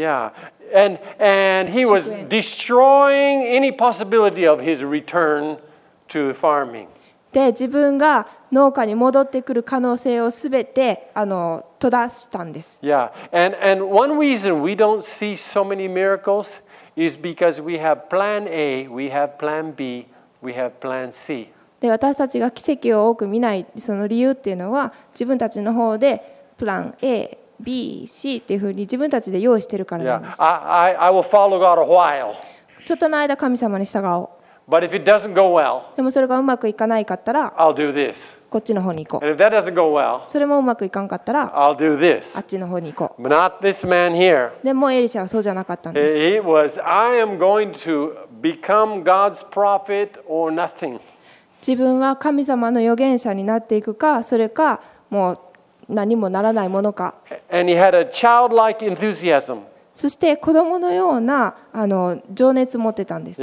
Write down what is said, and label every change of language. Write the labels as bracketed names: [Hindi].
[English] Yeah, and he was destroying any possibility of his return to farming. [Japanese] で自分が農家に戻ってくる可能性をすべてあの閉ざしたんです。 [English] Yeah, and one reason we don't see so many miracles is because we have plan A, we have plan B, we have plan C. [Japanese] で私たちが奇跡を多く見ないその理由っていうのは自分たちの方でプラン A、B、C っていうふうに自分たちで用意してるからなんです。 [English] Yeah, I will follow God a while. [Japanese] ちょっとの間神様に従おう。 [English] But if it doesn't go well, [Japanese] でもそれがうまくいかないかったら、 [English] I'll do this. [Japanese] こっちの方に行こう。 [English] And if that doesn't go well, [Japanese] それもうまくいかんかったら、 [English] I'll do this. [Japanese] あっちの方に行こう。 [English] But not this man here. [Japanese] でもエリシャはそうじゃなかったんです。 [English] It was, I am going to become God's prophet or nothing. [Japanese] 自分は神様の預言者になっていくか、それかもう何もならないものか。 [English] And he had a childlike enthusiasm. [Japanese] そして子供のようなあの情熱持ってたんです。